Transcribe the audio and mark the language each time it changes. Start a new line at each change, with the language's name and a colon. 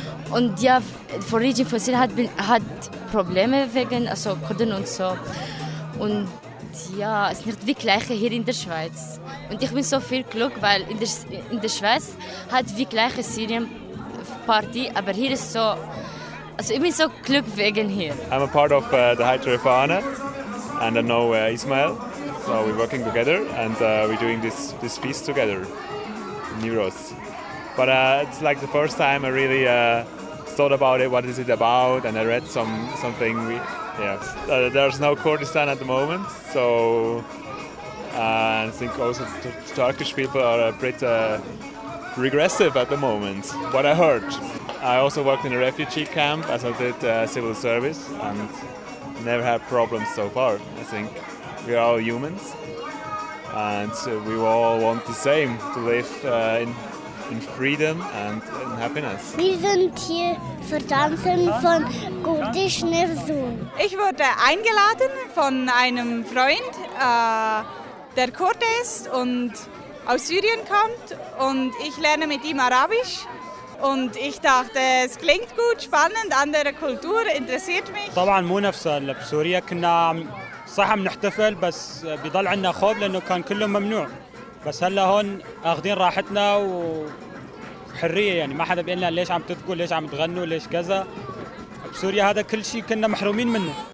German: Und ja, vor Regen von Syrien hat Probleme wegen, also Kurden und so. Und ja, es ist nicht wie gleiche hier in der Schweiz. Und ich bin so viel Glück, weil in der Schweiz hat wie gleiche Syrien Party, aber hier ist so, also ich bin so Glück wegen hier.
English: I'm a part of the Haidtere Fahne and I know Ismail. So we're working together and we're doing this feast together in Nowruz. But it's like the first time I really thought about it. What is it about? And I read something. There's no Kurdistan at the moment, so I think also the Turkish people are a bit regressive at the moment. What I heard. I also worked in a refugee camp, as I did civil service, and never had problems so far. I think we are all humans, and we all want the same to live in freedom and in happiness.
German: Wir sind hier für Tanzen von Kurdisch Nowruz. Ich wurde eingeladen von einem Freund, der Kurde ist und aus Syrien kommt. Und ich lerne mit ihm Arabisch. Und ich dachte, es klingt gut, spannend, andere Kultur, interessiert mich.
Arabic: طبعاً مو نفس اللي بسوريا كنا صح بنحتفل بس بيضل عنا خوف لأنه كان كله ممنوع. بس هلا هون اخذين راحتنا وحريه يعني ما حدا بيقول لنا ليش عم تبكوا ليش عم تغنوا ليش كذا بسوريا هذا كل شيء كنا محرومين منه.